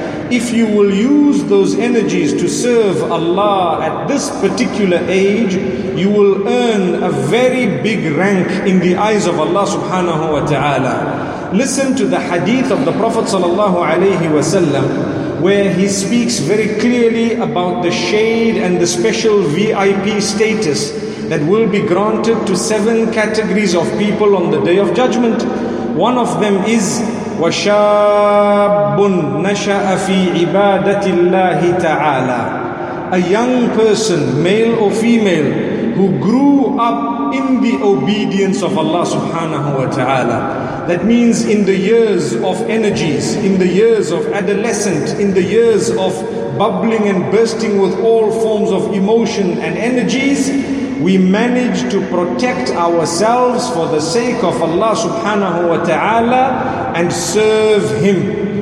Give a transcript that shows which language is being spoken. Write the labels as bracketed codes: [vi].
[en] If you will use those energies to serve Allah at this particular age, you will earn a very big rank in the eyes of Allah subhanahu wa ta'ala. Listen to the hadith of the Prophet sallallahu alayhi wa sallam, where he speaks very clearly about the shade and the special VIP status that will be granted to seven categories of people on the Day of Judgment. One of them is [ar] وَشَابٌ نَشَأَ فِي عِبَادَةِ اللَّهِ تَعَالَى. [en] A young person, male or female, who grew up in the obedience of Allah subhanahu wa ta'ala. That means in the years of energies, in the years of adolescent, in the years of bubbling and bursting with all forms of emotion and energies, we manage to protect ourselves for the sake of Allah subhanahu wa ta'ala and serve Him.